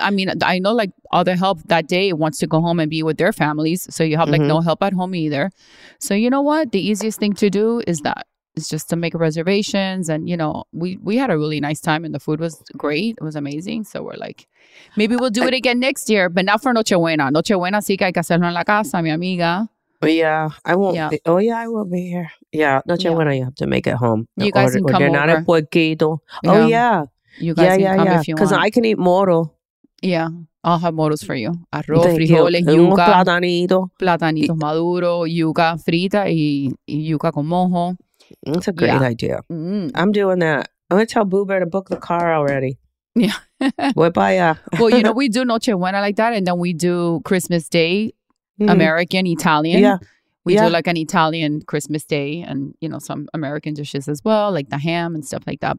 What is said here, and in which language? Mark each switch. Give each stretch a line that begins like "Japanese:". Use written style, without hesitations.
English: I mean, I know like all the help that day wants to go home and be with their families. So you have like no help at home either. So you know what? The easiest thing to do is that. It's just to make reservations. And, you know, we had a really nice time and the food was great. It was amazing. So we're like, maybe we'll do it again next year, but not for Nochebuena.
Spanish: Nochebuena sí que hay que hacerlo en la casa, mi amiga.
English: I will be here. Yeah, Nochebuena, you have to make it home. You guys can come over. Oh, yeah. You guys can come if you want. Because I can eat moro. Yeah. I'll have moros for you.
Spanish: Arroz, frijoles, yuca. Platanito. Platanito maduro, yuca frita y yuca con mojo.
English: That's a great idea. Mm-hmm. I'm doing that. I'm going to tell Boober to book the car already. Yeah.
Spanish: Voy para allá.
English: Well, you know, we do Nochebuena like that, and then we do Christmas Day, American, Italian. Yeah. We do like an Italian Christmas Day and, you know, some American dishes as well, like the ham and stuff like that.